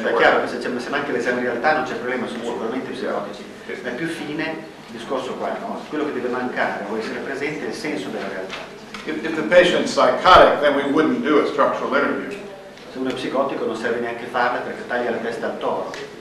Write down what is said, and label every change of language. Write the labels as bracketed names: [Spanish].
[Italian] Cioè, chiaro, se, cioè, se manca l'esame in realtà non c'è problema, sono sicuramente psicotici. Ma più fine, il discorso qua, no? Quello che deve mancare, vuol essere presente, è il senso della realtà. [English] If the patient's psychotic, then we wouldn't do a structural interview. [Italian] Se uno è psicotico non serve neanche farla perché taglia la testa al toro.